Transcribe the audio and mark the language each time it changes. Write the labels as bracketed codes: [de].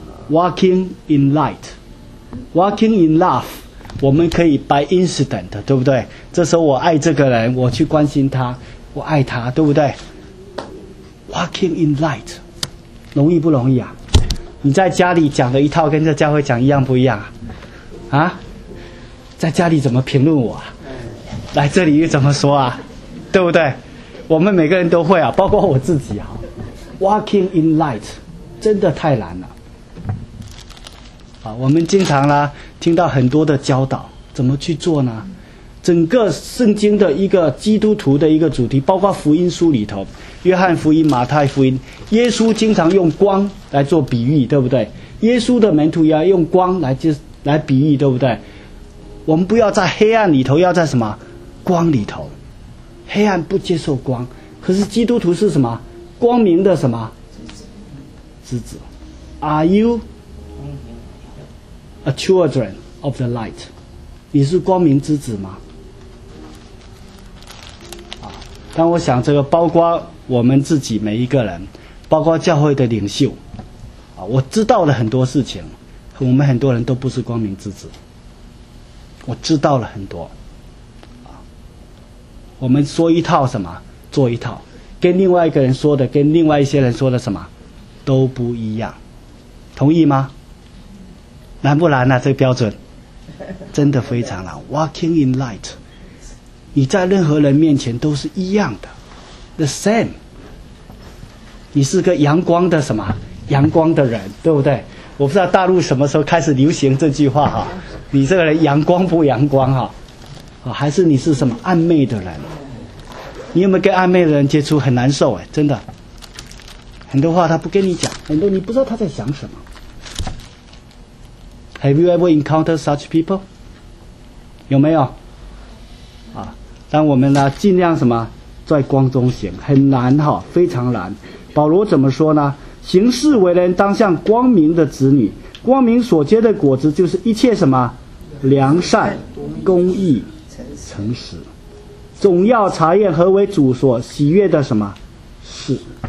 [en] Walking in light, walking in love, [zh] 我们可以 [en] by incident, [zh] 对不对？这时候我爱这个人，我去关心他，我爱他，对不对？ [en] Walking in light, [zh] 容易不容易啊？你在家里讲的一套跟在教会讲一样不一样啊？啊，在家里怎么评论我啊？来这里又怎么说啊？对不对？我们每个人都会啊，包括我自己啊。 [en] Walking in light, [zh] 真的太难了。我们经常呢听到很多的教导，怎么去做呢？整个圣经的一个基督徒的一个主题，包括福音书里头，约翰福音、马太福音，耶稣经常用光来做比喻，对不对？耶稣的门徒要用光来比喻，对不对？我们不要在黑暗里头，要在什么光里头。黑暗不接受光，可是基督徒是什么光明的什么之子。 [en] Are youA children of the light, [zh] 你是光明之子吗？啊，但我想这个包括我们自己每一个人，包括教会的领袖，啊，我知道了很多事情，我们很多人都不是光明之子。我知道了很多，啊，我们说一套什么做一套，跟另外一个人说的，跟另外一些人说的什么都不一样，同意吗？难不难呢？这个标准真的非常难。 [en] Walking in light, [zh] 你在任何人面前都是一样的， [en] The same, [zh] 你是个阳光的什么阳光的人，对不对？我不知道大陆什么时候开始流行这句话哈，你这个人阳光不阳光哈，还是你是什么暧昧的人？你有没有跟暧昧的人接触很难受？哎，真的很多话他不跟你讲，很多你不知道他在想什么。 [en] Have you ever encountered such people? [zh] 有没有？啊，但我们呢，尽量什么，在光中行，很难哈，非常难。保罗怎么说呢？行事为人当像光明的子女，光明所结的果子就是一切什么，良善、公义、诚实，总要查验何为主所喜悦的什么事。